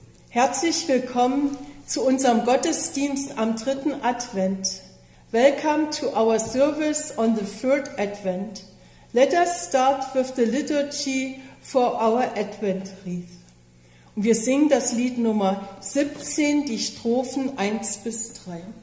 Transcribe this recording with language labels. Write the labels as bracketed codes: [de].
[de] Herzlich willkommen zu unserem Gottesdienst am dritten Advent. [en] Welcome to our service on the third Advent. Let us start with the liturgy for our Advent wreath. [de] Und wir singen das Lied Nummer 17, die Strophen 1 bis 3.